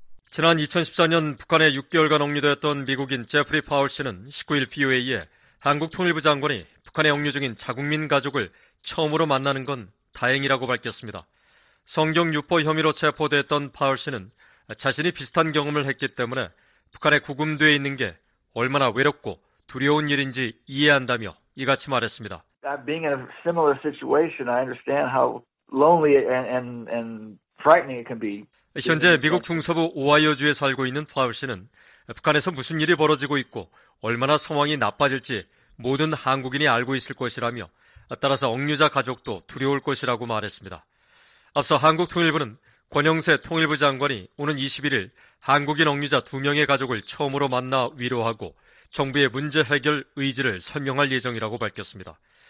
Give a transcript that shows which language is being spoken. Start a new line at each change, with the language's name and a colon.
Korean: 지난 2014년 북한에 6개월간 억류되었던 미국인 제프리 파울 씨는 19일 VOA에 한국 통일부 장관이 북한에 억류 중인 자국민 가족을 처음으로 만나는 건 다행이라고 밝혔습니다. 성경 유포 혐의로 체포됐던 파울 씨는 자신이 비슷한 경험을 했기 때문에 북한에 구금되어 있는 게 얼마나 외롭고 두려운 일인지 이해한다며 이같이 말했습니다.
English: Being in a similar situation, I understand how lonely and frightening it can be.
Korean: 현재 미국 중서부 오하이오주에 살고 있는 파울 씨는 북한에서 무슨 일이 벌어지고 있고 얼마나 상황이 나빠질지 모든 한국인이 알고 있을 것이라며 따라서 억류자 가족도 두려울 것이라고 말했습니다. 앞서 한국통일부는 권영세 통일부 장관이 오는 21일 한국인 억류자 2명의 가족을 처음으로 만나 위로하고 정부의 문제 해결 의지를 설명할 예정이라고 밝혔습니다.